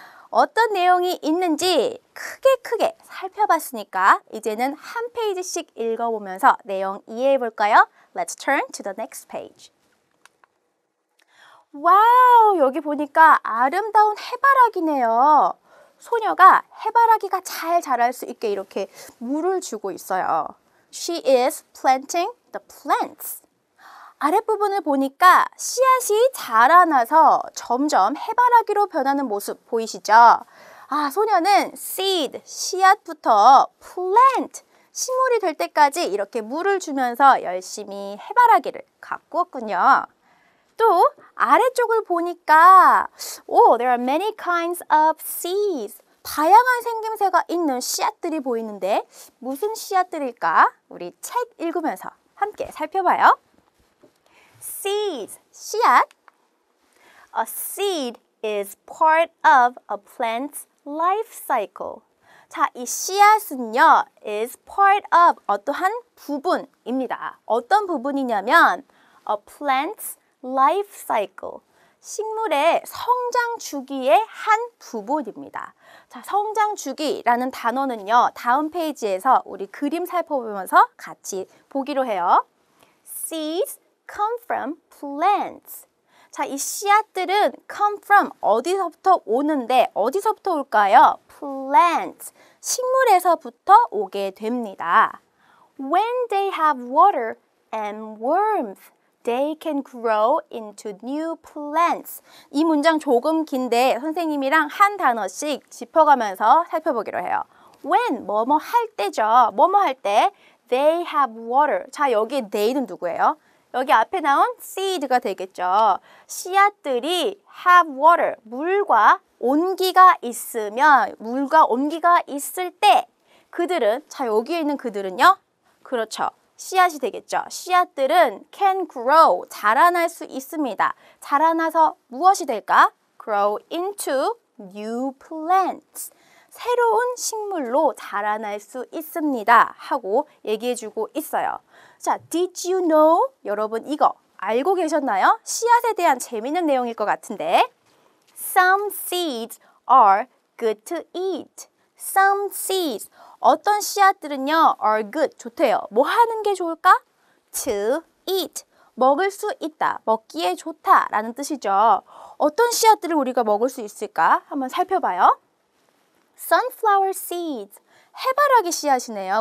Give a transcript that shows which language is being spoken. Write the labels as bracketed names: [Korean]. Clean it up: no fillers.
[Korean] 어떤 내용이 있는지 크게 살펴봤으니까 이제는 한 페이지씩 읽어보면서 내용 이해해볼까요? [English] Let's turn to the next page. [Korean] 와우, 여기 보니까 아름다운 해바라기네요. 소녀가 해바라기가 잘 자랄 수 있게 이렇게 물을 주고 있어요. [English] She is planting the plants. [Korean] 아랫부분을 보니까 씨앗이 자라나서 점점 해바라기로 변하는 모습 보이시죠? 아, 소녀는 seed, 씨앗부터 plant, 식물이 될 때까지 이렇게 물을 주면서 열심히 해바라기를 가꾸었군요. 또 아래쪽을 보니까 [English] oh, there are many kinds of seeds. [Korean] 다양한 생김새가 있는 씨앗들이 보이는데 무슨 씨앗들일까? 우리 책 읽으면서 함께 살펴봐요. [English] Seeds, 씨앗. A seed is part of a plant's life cycle. [Korean] 자, 이 씨앗은요, [English] is part of [Korean] 어떠한 부분입니다. 어떤 부분이냐면 [English] a plant's life cycle, [Korean] 식물의 성장 주기의 한 부분입니다. 자, 성장 주기라는 단어는요, 다음 페이지에서 우리 그림 살펴보면서 같이 보기로 해요. [English] Seeds come from plants. [Korean] 자, 이 씨앗들은 [English] come from [Korean] 어디서부터 오는데 어디서부터 올까요? Plants, 식물에서부터 오게 됩니다. [English] When they have water and warmth, they can grow into new plants. [Korean] 이 문장 조금 긴데 선생님이랑 한 단어씩 짚어가면서 살펴보기로 해요. When, 뭐뭐 할 때죠. 뭐뭐 할 때 [English] they have water. [Korean] 자, 여기 they는 누구예요? 여기 앞에 나온 seed가 되겠죠. 씨앗들이 [English] have water, [Korean] 물과 온기가 있으면 물과 온기가 있을 때 그들은, 자, 여기에 있는 그들은요? 그렇죠. 씨앗이 되겠죠. 씨앗들은 [English] can grow, [Korean] 자라날 수 있습니다. 자라나서 무엇이 될까? [English] grow into new plants. [Korean] 새로운 식물로 자라날 수 있습니다. 하고 얘기해 주고 있어요. [English] 자, did you know? [Korean] 여러분 이거 알고 계셨나요? 씨앗에 대한 재미있는 내용일 것 같은데. [English] Some seeds are good to eat. Some seeds. [Korean] 어떤 씨앗들은요, [English] are good, [Korean] 좋대요. 뭐 하는 게 좋을까? [English] To eat, [Korean] 먹을 수 있다, 먹기에 좋다 라는 뜻이죠. 어떤 씨앗들을 우리가 먹을 수 있을까? 한번 살펴봐요. Sunflower seeds, 해바라기 씨앗이네요.